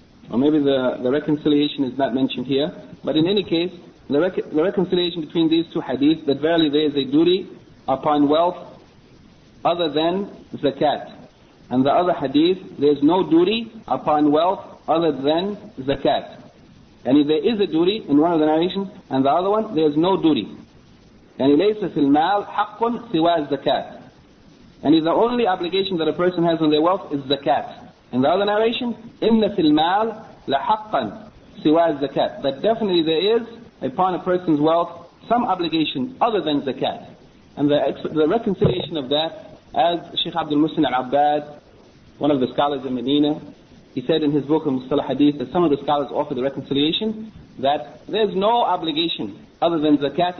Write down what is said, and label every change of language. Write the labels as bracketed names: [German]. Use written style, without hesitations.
[English] Or maybe the reconciliation is not mentioned here, but in any case, the reconciliation between these two hadith, that verily there is a duty upon wealth other than zakat. And the other hadith, there is no duty upon wealth other than zakat. And if there is a duty in one of the narrations, and the other one, there is no duty. And if [Arabic] ليس في المال حق سوى الزكاة. [English] And if the only obligation that a person has on their wealth is zakat. In the other narration, [Arabic] إن في المال لحقا سوى الزكاة. [English] That definitely there is, upon a person's wealth, some obligation other than zakat. And the reconciliation of that, as Sheikh Abdul Muhsin Al-Abbad, one of the scholars in Medina, he said in his book on Mustalah Hadith that some of the scholars offer the reconciliation that there's no obligation other than zakat.